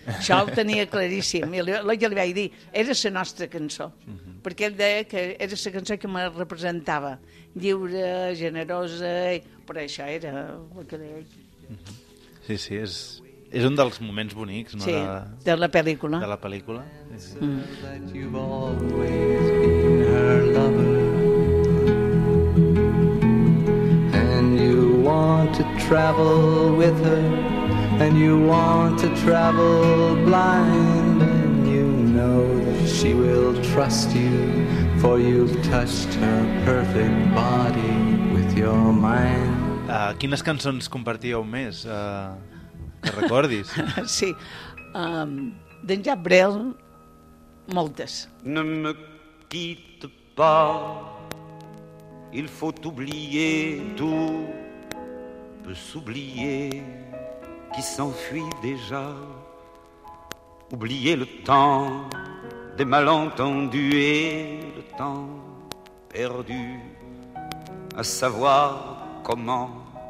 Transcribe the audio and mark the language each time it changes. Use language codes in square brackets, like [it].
[ca] Això ho tenia claríssim. I el que li vaig dir, era la nostra cançó. Mm-hmm. Perquè ell deia que era la cançó que me representava. Lliure, generosa... Però això era el que deia. Sí, sí, és un dels moments bonics, no? Sí, de la pel·lícula. De la pel·lícula. [en] And you want to travel with her, and you want to travel blind, and you know that she will trust you, for you've touched her perfect body with your mind. [ca] Quines cançons compartíeu més, que recordis? Sí, d'en Jacques Brel, moltes. [fr] Ne me quitte pas, il faut oublier tout, peut s'oublier qui s'enfuit déjà, oublier le temps des malentendus et le temps perdu, à savoir comment.